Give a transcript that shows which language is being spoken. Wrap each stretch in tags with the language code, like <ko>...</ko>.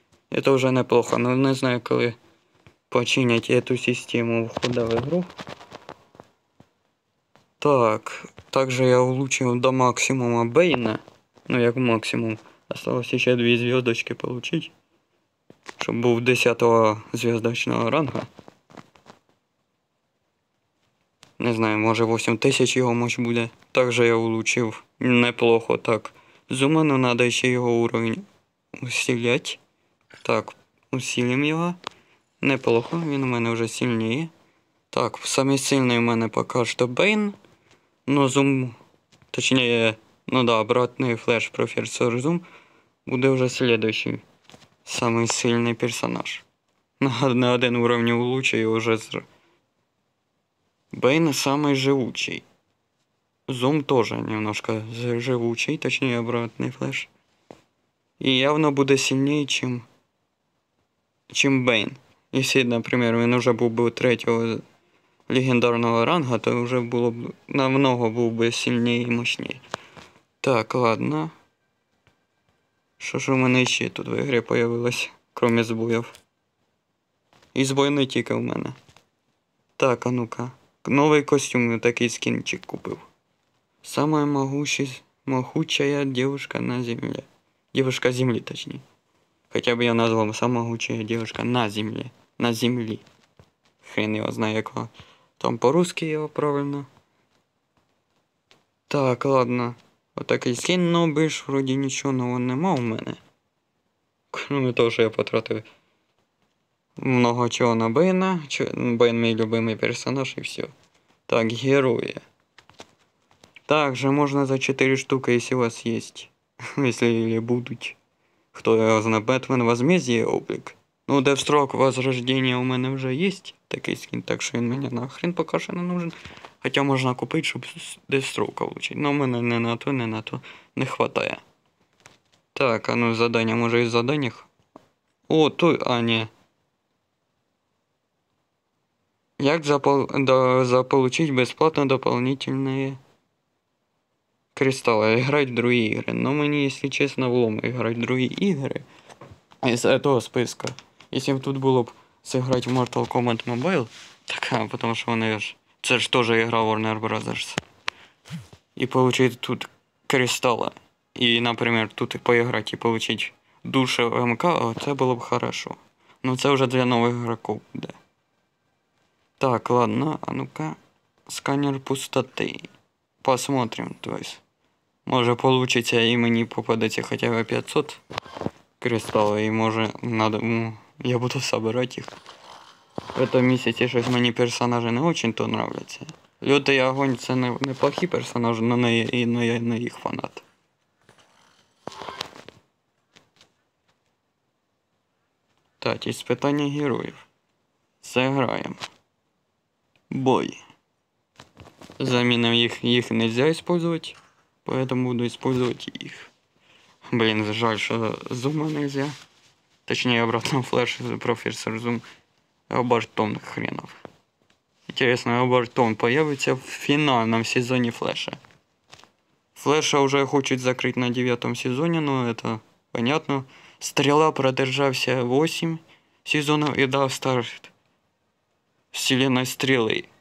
<ru>Это уже неплохо, но не знаю,</ru> <uk>коли починять</uk> <ru>эту систему входа в игру. Так, также я улучшил до максимума Бейна.</ru> <uk>Ну, як максимум.</uk> <ru>Осталось еще 2 звездочки получить.</ru> <uk>Щоб був 10-го зв'язочного ранга. Не знаю, може 8 тисяч його мощ буде. Також я улучив. Неплохо, так. Зуману треба ще його уровень усилять. Так, усилим його. Неплохо, він у мене вже сильніє. Так, самий сильний у мене поки що Бейн. Но Зум... Точніше, ну да, обратний флеш профессор Зум. Буде вже следующий.</uk> <ru>Самый сильный персонаж. На один уровень улучшил и уже... Бейн самый живучий. Зум тоже немножко живучий, точнее обратный флеш. И явно будет сильнее, чем... Чем Бейн. Если, например, он уже был бы третьего легендарного ранга, то уже было бы... Намного был бы сильнее и мощнее. Так, ладно.</ru> <uk>Що ж у мене ще тут в ігрі появилося, крім збоїв? І збой не тільки в мене. Так, а ну-ка. Новий костюм, такий скінчик купив. Самая могучая дівчинка на землі. Дівчинка землі, точніше. Хоча б я назвав сама могучая дівчинка на землі. На землі. Хрен його знає, як його. Там по-русски його правильно. Так, ладно. Отакий скін, ну більш вроді нічого нового нема в мене. Кроме того, що я потратив много чого на Бейна. Бейн мій любимий персонаж і все. Так, герої. Также можна за 4 штуки, якщо у вас є. Якщо будуть. Хто його знає, Бетмен Возмездие облик. Ну, Девстрок Возрождение у мене вже є. Такий скін, так що він мені нахрен поки що не нужен. Хоча можна купити, щоб Deathstroke отримати. Але мене не на то, не вистачає. Так, а ну задання, може і задання? О, той, а ні. Як заполучити безплатно доповнительні кристали? Грати в другі ігри. Ну мені, якщо чесно, влом грати в другі ігри. З цього списку. Якщо б тут було б зіграти в Mortal Kombat Mobile, так, а, тому що вони ж... Це ж теж ігра Warner Brothers. І отримати тут кристали. І, наприклад, тут поіграти і отримати душу МК, це було б хорошо. Ну це вже для нових гравців буде. Так, ладно, а ну-ка. Сканер пустоти.</uk> <ru>Посмотрим,</ru> <uk>тобто. Може вийде і мені попадеться хоча б 500 кристалів. І може надо... я буду збирати їх.</uk> <ru>В этом месяце</ru> <uk>щось мені</uk> <ru>персонажи не очень то нравляться.</ru> <uk>Лютий огонь це неплохий персонаж, но я не їх фанат. Так, испытання героїв. Зіграємо. Бой.</uk> <ru>Заміним їх нельзя использовать, поэтому буду использовать їх. Блін, жаль, що зума нельзя. Точнее, обратно флеш профессор зум. Обертон хренов. Интересно, Обертон появится в финальном сезоне Флэша. Флэша уже хочет закрыть на 9-м сезоне, но это понятно. Стрела продержался 8 сезонов и дал старт вселенной Стрелы.</ru>